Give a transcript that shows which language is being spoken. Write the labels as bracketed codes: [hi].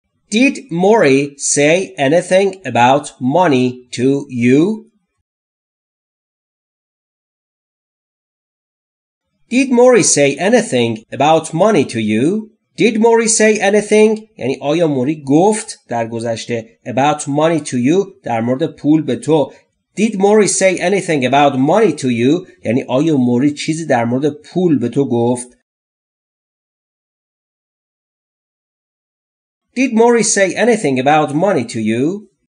[en] Did Mori say anything about money to you? Did Mori say anything about money to you? Did Mori say anything? [fa] یعنی آیا موری گفت در گذشته [en] about money to you [fa] در مورد پول به تو. [en] Did Mori say anything about money to you? [fa] یعنی آیا موری چیزی در مورد پول به تو گفت. [en] Did Mori say anything about money to you?